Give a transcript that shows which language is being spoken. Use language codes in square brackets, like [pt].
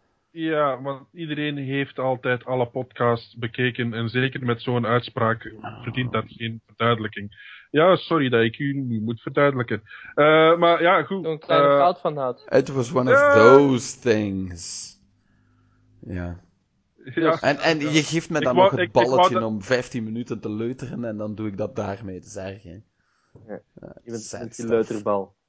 [nl] Ja, want iedereen heeft altijd alle podcasts bekeken. En zeker met zo'n uitspraak verdient dat geen verduidelijking. Ja, sorry dat ik u nu moet verduidelijken. Maar ja, goed. Een kleine fout van had. [en] It was one of those things. [nl] Ja. En je geeft me dan nog het balletje om 15 minuten te leuteren. En dan doe ik dat daarmee, dat is erg, hè. Ja, je bent een leuterbal.